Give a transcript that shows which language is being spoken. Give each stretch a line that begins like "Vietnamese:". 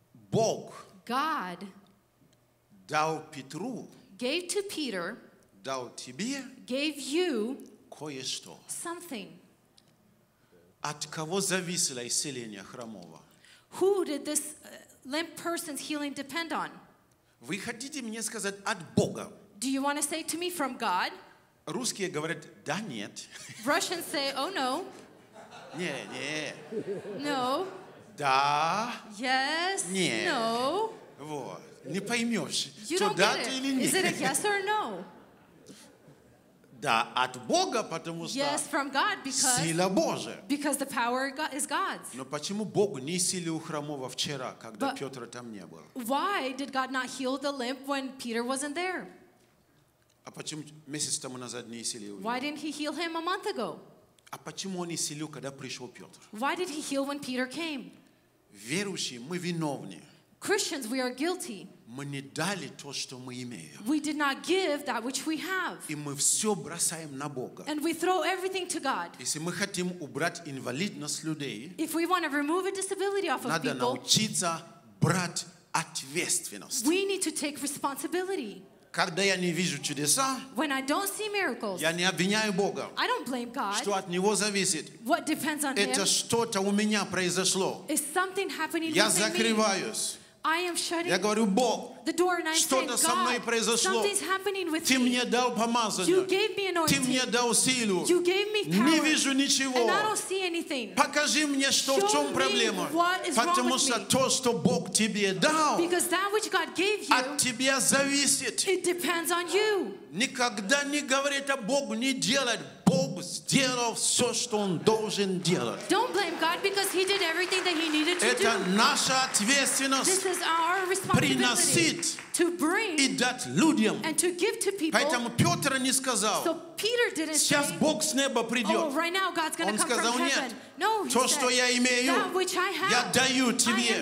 Russian: Бог
English: God
Russian: дал Петру
English: gave to Peter
Russian: дал тебе
English: gave you
Russian: кое-что
English: something.
Russian: От кого зависело исцеление хромого?
English: Who did this limp person's healing depend on?
Russian: Вы хотите мне сказать от Бога?
English: Do you want to say to me from God?
Russian: Русские говорят да нет.
English: Russians say oh no.
Russian: Не, не.
English: No.
Russian: Да.
English: Yes.
Russian: Не.
English: No.
Russian: Вот. Не поймешь,
English: you
Russian: что да ты или нет.
English: Is it a yes or no?
Russian: Да, от Бога, потому что
English: yes, from God, because,
Russian: сила Божия.
English: Because the power is God's.
Russian: Но почему Богу не исцелил у хромого вчера, когда
English: But
Russian: Петра там не было?
English: Why did God not heal the limp when Peter wasn't there?
Russian: А почему месяц тому назад не исцелил его?
English: Why didn't he heal him a month ago?
Russian: А почему он исцелил, когда пришел Петр?
English: Why did he heal when Peter came?
Russian: Верующие, мы виновны.
English: Christians, we are guilty.
Russian: Мы не дали то, что мы имеем.
English: We did not give that which we have.
Russian: И мы все бросаем на Бога.
English: And we throw everything to God.
Russian: Если мы хотим убрать инвалидность людей,
English: if we want to remove a disability off of people,
Russian: надо научиться брать ответственность.
English: We need to take responsibility.
Russian: Когда я не вижу чудеса,
English: when I don't see miracles,
Russian: я не обвиняю Бога.
English: I don't blame God.
Russian: Что от Него зависит?
English: What depends on
Russian: Это
English: him?
Russian: Что-то у меня произошло.
English: Is something happening
Russian: я закрываюсь.
English: I am shutting
Russian: я говорю, Бог,
English: the door and I
Russian: что-то
English: say, God,
Russian: со мной произошло.
English: Something's happening with
Russian: Ты
English: me.
Russian: Мне дал помазание.
English: You gave me anointing.
Russian: Ты мне дал силу.
English: You gave me power.
Russian: Не вижу ничего.
English: And I don't see anything.
Russian: Покажи мне, что
English: Show
Russian: в чем проблема.
English: What is
Russian: Потому
English: wrong with
Russian: что
English: me.
Russian: То, что Бог тебе дал,
English: Because that which God gave you,
Russian: от тебя зависит.
English: It depends on you.
Russian: Никогда не говори это Богу, не делать. Бог сделал все, что Он должен делать.
English: Don't blame God because He did everything that He needed to
Russian: Это
English: do.
Russian: Это наша ответственность.
English: This is our responsibility to bring
Russian: и дать людям.
English: And to give to people.
Russian: Поэтому Петр не сказал.
English: So Peter didn't
Russian: Сейчас
English: say.
Russian: Бог с неба придет.
English: Oh, right now God's going to come
Russian: сказал,
English: from heaven. No, he
Russian: то,
English: said,
Russian: что я имею,
English: that which I have,
Russian: я даю тебе.